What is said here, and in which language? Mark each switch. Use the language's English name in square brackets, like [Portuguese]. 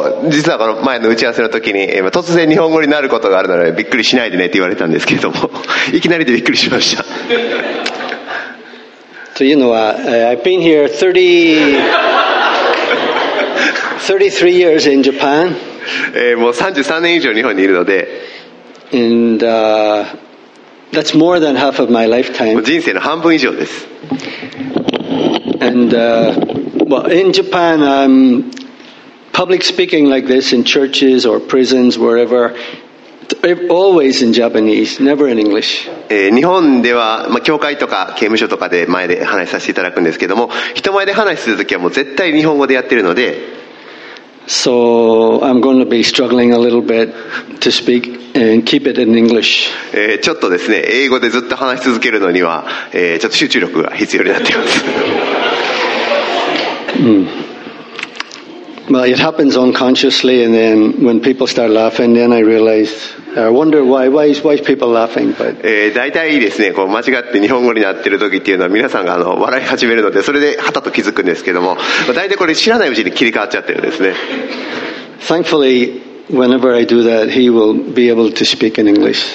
[Japanese] 実はこの前の打ち合わせの時に、突然日本語になることがあるのでびっくりしないでねって言われたんですけれども、いきなりでびっくりしました。というのは、 [English] I've been here 33 years in Japan. [Japanese] もう33年以上日本にいるので、 [English] and that's more than half of my lifetime. [Japanese] 人生の半分以上です。 [English] And in Japan, I'm public speaking like this in churches or prisons, wherever. Always in Japanese, never in English. [Japanese] 日本では、教会とか刑務所とかで前で話させていただくんですけども、人前で話するときはもう絶対日本語でやってるので、 [English] So I'm going to be struggling a little bit to speak and keep it in English. [Japanese] ちょっとですね、英語でずっと話し続けるのには、ちょっと集中力が必要になっています。 [English] Well, it happens unconsciously, and then when people start laughing, then I realize, I wonder why is people laughing. But [Japanese] だいたいですね、こう間違って日本語になってる時っていうのは皆さんが笑い始めるので、それではたと気づくんですけども、だいたいこれ知らないうちに切り替わっちゃってるんですね。 [English] Thankfully, whenever I do that, he will be able to speak in English.